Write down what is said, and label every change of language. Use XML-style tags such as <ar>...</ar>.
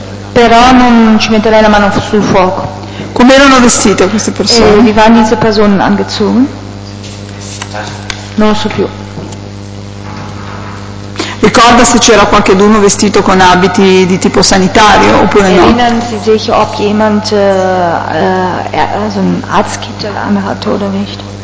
<it>Però non ci metterei la mano sul fuoco. Come erano vestite queste persone?</it> <de>Wie waren diese Personen angezogen?</de> <it>Non lo so più. Ricorda se c'era qualcuno vestito con abiti di tipo sanitario oppure no?</it> <de>Erinnern Sie sich, ob jemand so einen Arztkittel anhatte oder nicht?</de>